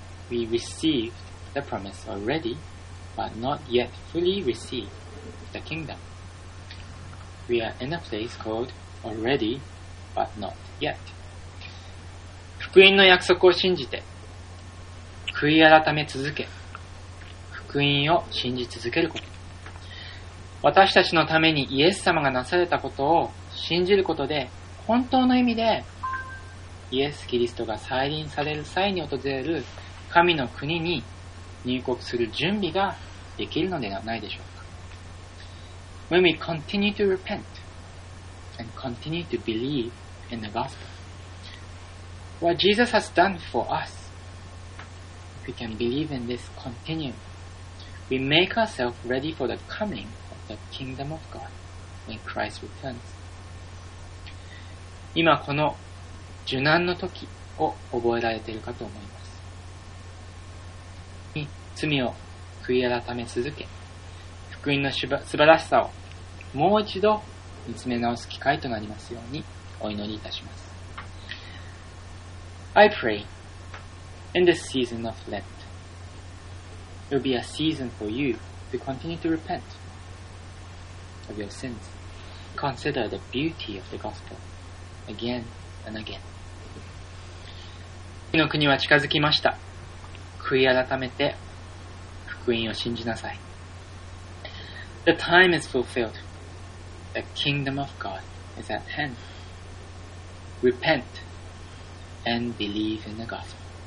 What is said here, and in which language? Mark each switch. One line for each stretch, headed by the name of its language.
English: We received the promise already, but not yet fully received the kingdom. We are in a place called already, but not yet.
Japanese: 福音の約束を信じて、悔い改め続け、福音を信じ続けること。私たちのためにイエス様がなされたことを信じることで、本当の意味でイエス・キリストが再臨される際に訪れる神の国に入国する準備ができるのではないでしょうか。
English: When we continue to repent and continue to believe in the gospel, what Jesus has done for us, if we can believe in this continuum, we make ourselves ready for the coming of the kingdom of God when Christ returns.
Japanese: 今この受難の時を覚えられているかと思います。罪を悔い改め続け、福音の素晴らしさをもう一度見つめ直す機会となりますようにお祈りいたします。
English: I pray, in this season of Lent, it will be a season for you to continue to repent of your sins, consider the beauty of the gospel again and again.
Japanese: 神の国は近づきました。悔い改めて福音を信じなさい。
English: The time is fulfilled. The kingdom of God is at hand. Repent and believe in the gospel.